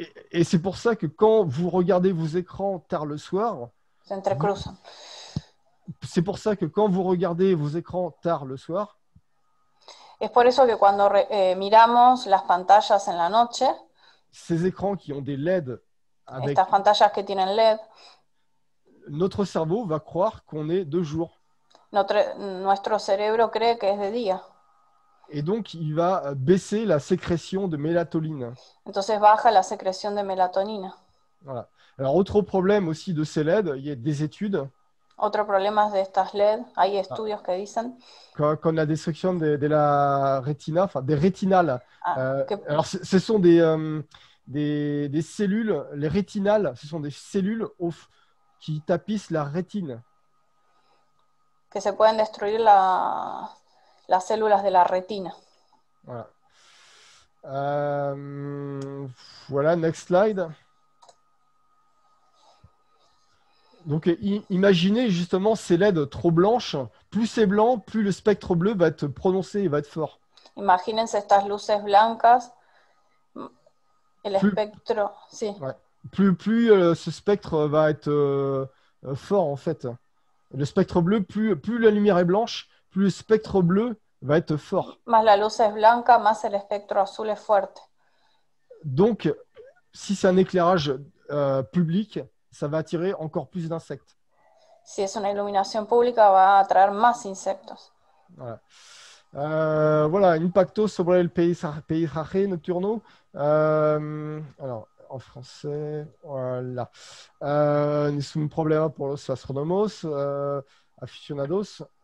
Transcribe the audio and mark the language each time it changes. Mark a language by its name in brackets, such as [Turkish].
[French] Et c'est pour ça que quand vous regardez vos écrans tard le soir, c'est pour ça que quand vous regardez vos écrans tard le soir, [Spanish] es por eso que cuando miramos las pantallas en la noche, [French] ces écrans qui ont des LED, avec [Spanish] estas pantallas que tienen LED, [French] notre cerveau va croire qu'on est de jour. [Spanish] Nuestro cerebro cree que es de día. [French] Et donc, il va baisser la sécrétion de mélatonine. [Spanish] Entonces baja la [French] sécrétion de mélatonine. Voilà. Alors, autre problème aussi de ces LED, il y a des études. [Spanish] Otro problema de estas LED, hay estudios que dicen. [French] Comme la destruction de la rétina, enfin des rétinales. Alors, ce sont des cellules, les rétinales, ce sont des cellules qui tapissent la rétine. [Spanish] Que se pueden destruir la. Las células de la retina. [French] Voilà. Voilà, [English] next slide. [French] Donc, imaginez justement ces LED trop blanches. Plus c'est blanc, plus le spectre bleu va être prononcé et va être fort. [Spanish] Imagínense estas luces blancas. El espectro, sí. [French] Ouais. Plus ce spectre va être fort, en fait. Le spectre bleu, plus la lumière est blanche, plus le spectre bleu va être fort. [Spanish] Más la luz es blanca, más el espectro azul es fuerte. [French] Donc, si c'est un éclairage public, ça va attirer encore plus d'insectes. [Spanish] Si es una iluminación pública, va a atraer más insectos. [French] Voilà. [Spanish] Voilà, impacto sobre el paisaje nocturno. [French] Alors, en français, voilà. [Spanish] Es un problema por los astrónomos aficionados.